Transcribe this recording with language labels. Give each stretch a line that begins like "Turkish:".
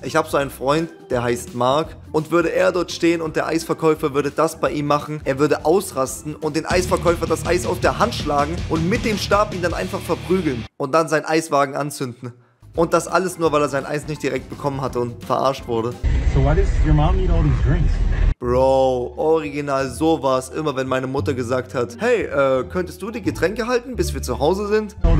German: Ich habe so einen Freund, der heißt Mark. Und würde er dort stehen und der Eisverkäufer würde das bei ihm machen, er würde ausrasten und den Eisverkäufer das Eis aus der Hand schlagen und mit dem Stab ihn dann einfach verprügeln und dann seinen Eiswagen anzünden. Und das alles nur, weil er sein Eis nicht direkt bekommen hatte und verarscht wurde.
English: So why does your mom need all these drinks?
German: Bro, original sowas, immer wenn meine Mutter gesagt hat, hey, könntest du die Getränke halten, bis wir zu Hause sind?